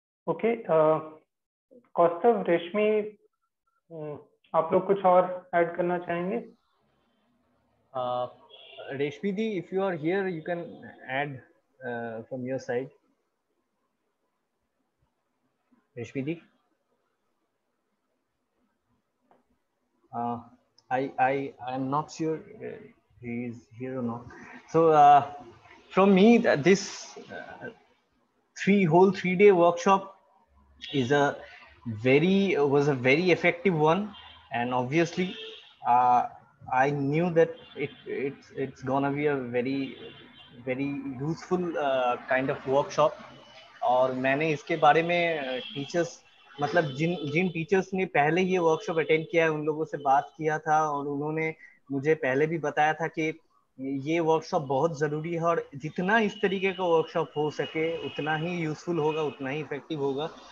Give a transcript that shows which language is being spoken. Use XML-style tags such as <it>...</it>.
<hi>Okay Kaustav, रेशमी, आप लोग कुछ और ऐड करना चाहेंगे?</hi> <en>Reshmi di, if you are here you can add from your side. Reshmi di, I am not sure he is here or not. So from me, this whole three day workshop is a very was a very effective one, and obviously I knew that it's gonna be a very very useful kind of workshop.</en> <hi>और मैंने इसके बारे में teachers मतलब जिन teachers ने पहले ये workshop attend किया है उन लोगों से बात किया था, और उन्होंने मुझे पहले भी बताया था कि ये वर्कशॉप बहुत ज़रूरी है और जितना इस तरीके का वर्कशॉप हो सके उतना ही यूज़फुल होगा, उतना ही इफ़ेक्टिव होगा।</hi>